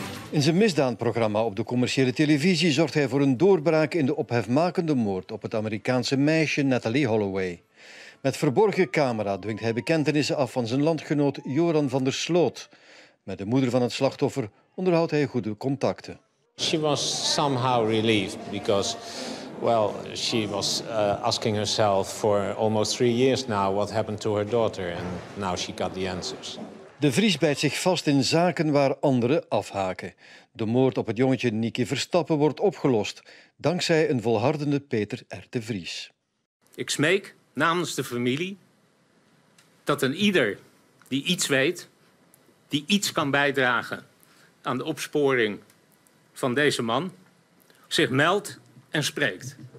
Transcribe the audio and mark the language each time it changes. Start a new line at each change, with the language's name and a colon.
Dutch: In zijn misdaadprogramma op de commerciële televisie zorgt hij voor een doorbraak in de ophefmakende moord op het Amerikaanse meisje Natalie Holloway. Met verborgen camera dwingt hij bekentenissen af van zijn landgenoot Joran van der Sloot. Met de moeder van het slachtoffer onderhoudt hij goede contacten.
English: She was somehow relieved because, well, she was asking herself for almost 3 years now what happened to her daughter, and now she got the answers.
Dutch: De Vries bijt zich vast in zaken waar anderen afhaken. De moord op het jongetje Nicky Verstappen wordt opgelost dankzij een volhardende Peter R. de Vries. Ik smeek namens de familie dat een ieder die iets weet, die iets kan bijdragen aan de opsporing van deze man, zich meldt en spreekt.